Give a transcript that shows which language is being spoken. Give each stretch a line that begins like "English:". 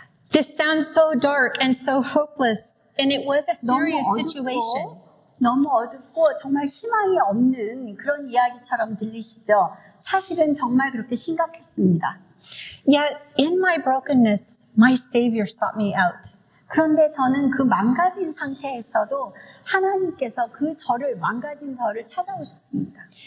English: This sounds so dark and so hopeless, and it was a serious situation.
Korean: 너무 어둡고 정말 희망이 없는 그런 이야기처럼 들리시죠? 사실은 정말 그렇게 심각했습니다.
English: Yet in my brokenness, my Savior sought me out.
Korean: 그런데 저는 그 망가진 상태에서도 하나님께서 그 저를 망가진 저를 찾아오셨습니다.